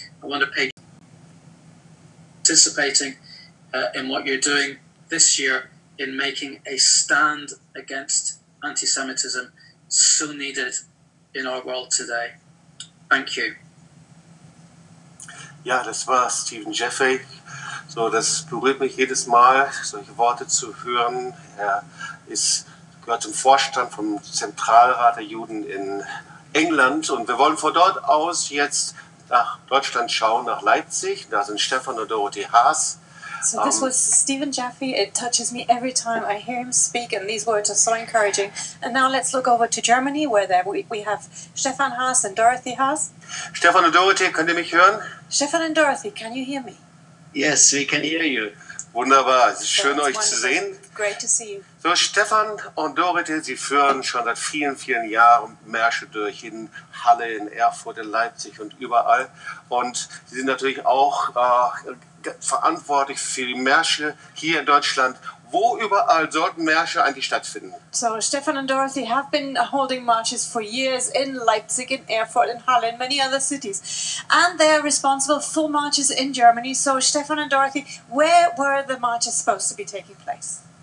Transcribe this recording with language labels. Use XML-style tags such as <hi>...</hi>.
<en>I want to pay participating in what you're doing this year in making a stand against anti-Semitism so needed in our world today. Thank you.</en> <de>Ja, das war Stephen Jaffe. So, das berührt mich jedes Mal, solche Worte zu hören. Er gehört zum Vorstand vom Zentralrat der Juden in England. Und wir wollen von dort aus jetzt nach Deutschland schauen, nach Leipzig. Da sind Stefan und Dorothee Haas.</de> <en>So this was Stephen Jaffe. It touches me every time I hear him speak, and these words are so encouraging. And now let's look over to Germany, where we have Stefan Haas and Dorothee Haas.</en> <de>Stefan und Dorothee, könnt ihr mich hören?</de> <en>Stefan and Dorothee, can you hear me? Yes, we can hear you.</en> <de>Wunderbar, es ist schön, euch zu sehen.</de> <en>Great to see you.</en> <de>So, Stefan und Dorothee, Sie führen schon seit vielen, vielen Jahren Märsche durch in Halle, in Erfurt, in Leipzig und überall. Und Sie sind natürlich auch verantwortlich für die Märsche hier in Deutschland. Wo überall sollten Märsche eigentlich stattfinden?</de> <en>So, Stefan and Dorothee have been holding marches for years in Leipzig, in Erfurt, in Halle, in many other cities. And they are responsible for marches in Germany. So, Stefan and Dorothee, where were the marches supposed to be taking place?</en>